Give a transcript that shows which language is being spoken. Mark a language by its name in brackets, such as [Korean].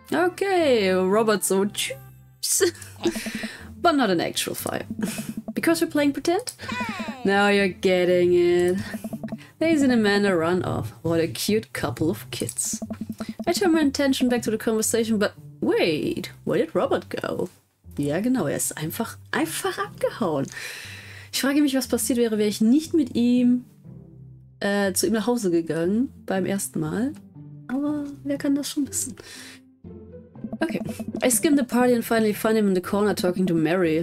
[English] Okay, robots or chips. But not an actual fire. Because we're playing pretend? Hey. Now you're getting it. Daisy and Amanda run off. What a cute couple of kids. I turn my attention back to the conversation, but wait, where did Robert go? [German] Ja, genau, er ist einfach abgehauen. Ich frage mich, was passiert wäre, wäre ich nicht mit ihm zu ihm nach Hause gegangen beim ersten Mal. Aber wer kann das schon wissen? [English] Okay. I skim the party and finally find him in the corner talking to Mary.